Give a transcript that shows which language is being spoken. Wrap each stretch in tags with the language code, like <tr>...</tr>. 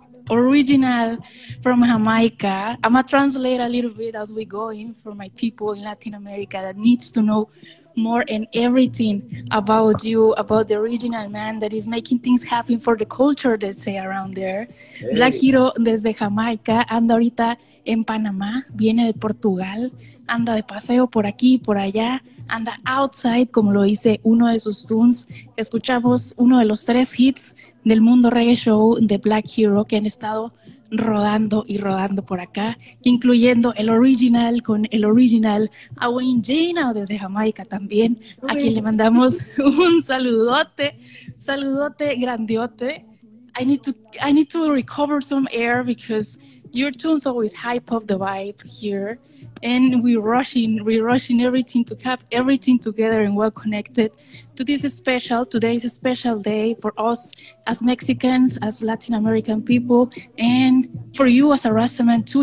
<en>Original from Jamaica. I'm going to translate a little bit as we go in for my people in Latin America that needs to know more and everything about you, about the original man that is making things happen for the culture, let's say, around there. Hey.</en> <es>Black Hero desde Jamaica, anda ahorita en Panamá, viene de Portugal, anda de paseo por aquí y por allá. Anda outside, como lo dice uno de sus tunes. Escuchamos uno de los tres hits del Mundo Reggae Show de Black Hero que han estado rodando y rodando por acá, incluyendo el original con el original Awain Jaina desde Jamaica también, a quien le mandamos un saludote, saludote grandiote.</es> <en>I need to recover some air because your tunes always hype up the vibe here, and we rushing everything to cap everything together and well connected to this special. Today is a special day for us as Mexicans, as Latin American people, and for you as a Rastaman too.</en>